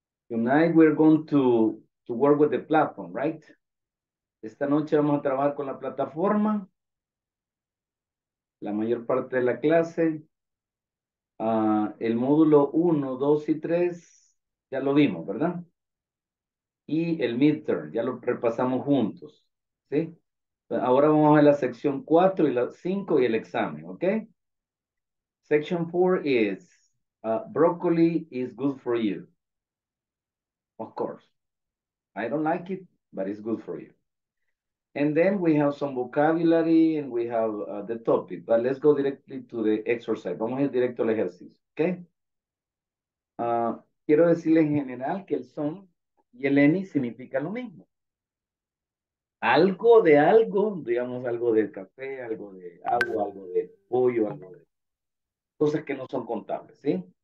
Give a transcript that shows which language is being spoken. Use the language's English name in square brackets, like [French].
[English] Tonight we're going to work with the platform, right? [Spanish] Esta noche vamos a trabajar con la plataforma. La mayor parte de la clase. El módulo 1, 2 y 3 ya lo vimos, ¿verdad? Y el midterm ya lo repasamos juntos, ¿sí? Ahora vamos a ver la sección 4 y la 5 y el examen, ¿ok? [English] Section 4 is broccoli is good for you. Of course. I don't like it, but it's good for you. And then we have some vocabulary and we have the topic, but let's go directly to the exercise. [Spanish] Vamos a ir directo al ejercicio, ¿ok? Quiero decirles en general que el son y el any significa lo mismo. Algo de algo, digamos algo de café, algo de agua, algo de pollo, algo de cosas que no son contables, ¿sí?